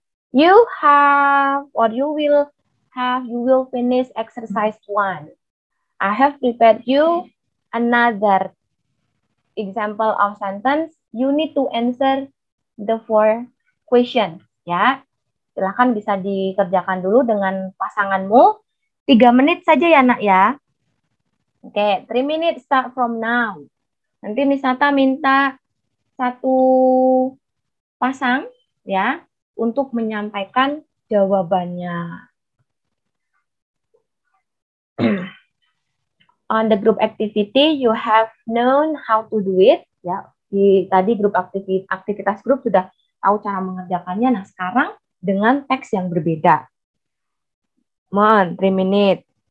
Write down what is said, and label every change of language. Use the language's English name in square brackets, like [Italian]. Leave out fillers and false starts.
[English] You have, or you will have, you will finish exercise one. I have prepared you another example of sentence. You need to answer the four questions, ya. [Indonesian] Silakan bisa dikerjakan dulu dengan pasanganmu. 3 menit saja ya, nak, ya. Oke, [English] 3 minutes start from now. [Indonesian] Nanti Nisata minta satu pasang, ya, untuk menyampaikan jawabannya. [English] On the group activity, you have known how to do it, ya. [Indonesian] Di tadi grup aktivitas grup sudah tahu cara mengerjakannya. Nah, sekarang dengan teks yang berbeda. [English] Come on, 3 minutes.